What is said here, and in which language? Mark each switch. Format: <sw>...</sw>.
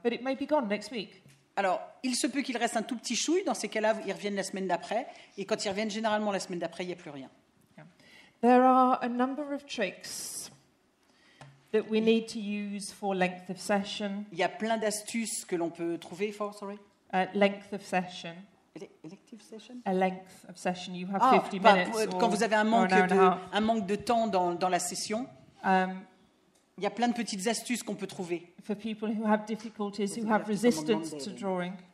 <en>But it may be gone next week.</en> <fr>Alors, il se peut qu'il reste un tout petit chouille. Dans ces cas-là, ils reviennent la semaine d'après. Et quand ils reviennent, généralement, la semaine d'après, il n'y a plus rien.</fr> <en>There are a number of tricks that we need to use for length of session.</en> <fr>Il y a plein d'astuces que l'on peut trouver</fr> <en>for, sorry. Length of session. Elective session? A length of session. You have 50 minutes.</en> <fr>Ah, quand vous avez un manque de temps dans la session. Il y a plein de petites astuces qu'on peut trouver.</fr> <en>For people who have difficulties, who have resistance to drawing.</en>